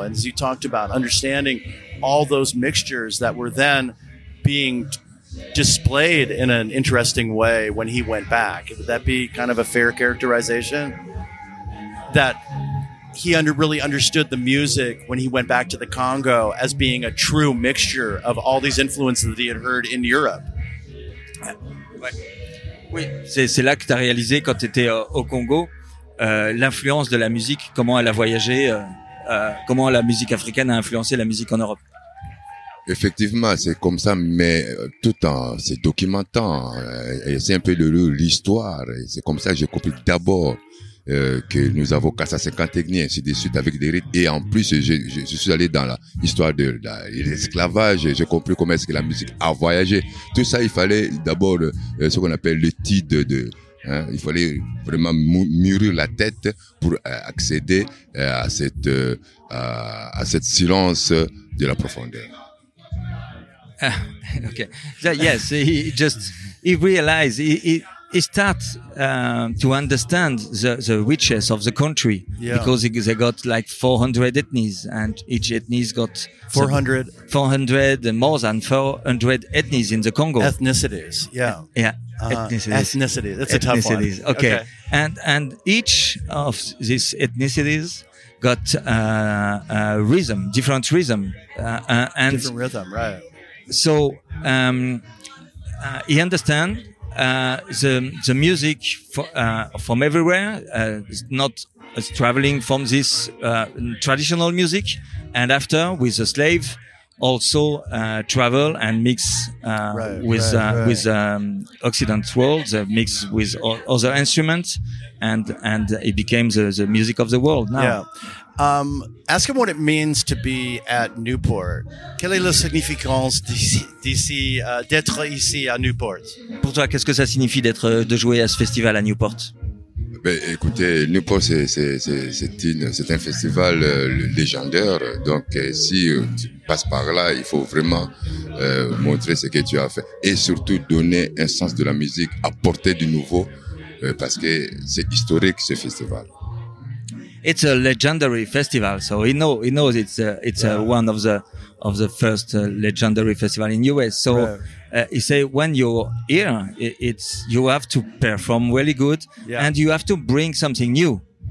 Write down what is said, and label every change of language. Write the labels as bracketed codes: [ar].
[en] And as you talked about, understanding all those mixtures that were then being displayed in an interesting way when he went back. Would that be kind of a fair characterization? That he really understood the music when he went back to the Congo as being a true mixture of all these influences that he had heard in Europe. [fr] Oui, c'est là que tu as réalisé quand tu étais au Congo l'influence de la musique, comment elle a voyagé, comment la musique africaine a influencé la musique en Europe. Effectivement, c'est comme ça, mais tout en se documentant, c'est un peu l'histoire. C'est comme ça que j'ai compris d'abord que nous avons cassé 50 techniques, ainsi de suite, avec des rites. Et en plus, je suis allé dans l'histoire de l'esclavage, j'ai compris comment est-ce que la musique a voyagé. Tout ça, il fallait d'abord ce qu'on appelle le tide de... Hein, il fallait vraiment mûrir la tête pour accéder à cette silence de la profondeur. [en] Yes, he just he realized he starts to understand the riches of the country because they got like 400 ethnies and each ethnies got 400 and more than 400 ethnies in the Congo. Ethnicities. A tough one. Okay. And each of these ethnicities got a different rhythm, right. So he understand the music from everywhere, not traveling from this traditional music, and after with the slave also travel and mix with Occident world, mix with other instruments, and it became the music of the world now. Ask him what it means to be at Newport. [fr] Quelle est la significance d'ici, d'être ici à Newport? Pour toi, qu'est-ce que ça signifie d'être, de jouer à ce festival à Newport? Ben, écoutez, Newport, c'est un festival légendaire. Donc, si tu passes par là, il faut vraiment montrer ce que tu as fait. Et surtout, donner un sens de la musique, apporter du nouveau, parce que c'est historique, ce festival. [en] It's a legendary festival, so he knows it's one of the first legendary festival in US. So he say when you're here, you have to perform really good, and you have to bring something new.